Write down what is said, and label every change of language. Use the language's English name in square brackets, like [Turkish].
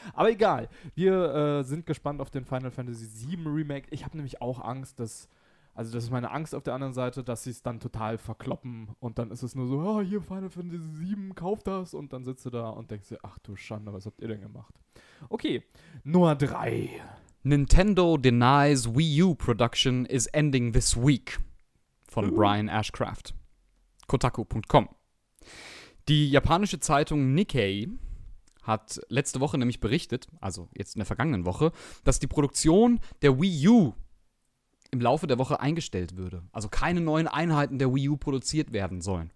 [German] Aber egal, wir sind gespannt auf den Final Fantasy VII Remake. Ich habe nämlich auch Angst, das ist meine Angst auf der anderen Seite, dass sie es dann total verkloppen und dann ist es nur so, oh, hier Final Fantasy VII, kauf das und dann sitzt du da und denkst dir, ach du Schande, was habt ihr denn gemacht? Okay, Nummer 3. [English] Nintendo denies Wii U production is ending this week. [German] Von Brian Ashcraft. Kotaku.com. Die japanische Zeitung Nikkei hat letzte Woche nämlich berichtet, also jetzt in der vergangenen Woche, dass die Produktion der Wii U im Laufe der Woche eingestellt würde. Also keine neuen Einheiten der Wii U produziert werden sollen.